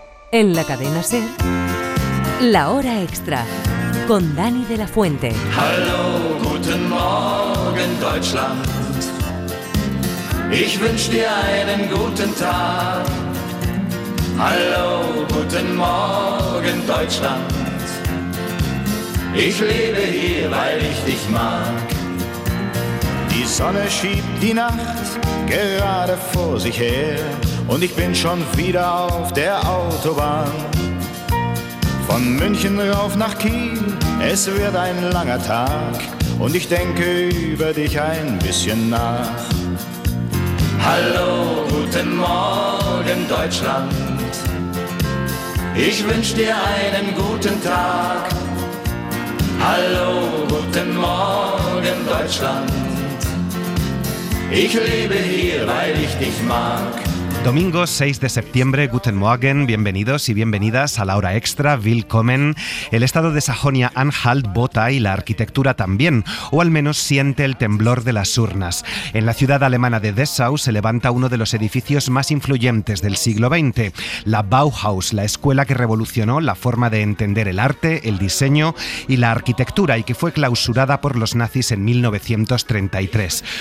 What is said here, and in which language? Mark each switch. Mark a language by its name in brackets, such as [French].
[Spanish] En la cadena Ser, la hora extra con Dani de la Fuente. [German] Hallo, guten Morgen Deutschland. Ich wünsche dir einen guten Tag. Hallo, guten Morgen Deutschland. Ich lebe hier, weil ich dich mag. Die Sonne schiebt die Nacht gerade vor sich her und ich bin schon wieder auf der Autobahn. Von München rauf nach Kiel, es wird ein langer Tag und ich denke über dich ein bisschen nach. Hallo, guten Morgen Deutschland. Ich wünsch dir einen guten Tag. Hallo, guten Morgen Deutschland. Ich lebe hier, weil ich dich mag. [Spanish] Domingo 6 de septiembre, [German] Guten Morgen, [Spanish] bienvenidos y bienvenidas a la hora extra, [German] willkommen. [Spanish] El estado de Sajonia-Anhalt vota y la arquitectura también, o al menos siente el temblor de las urnas. En la ciudad alemana de Dessau se levanta uno de los edificios más influyentes del siglo XX, la Bauhaus, la escuela que revolucionó la forma de entender el arte, el diseño y la arquitectura y que fue clausurada por los nazis en 1933.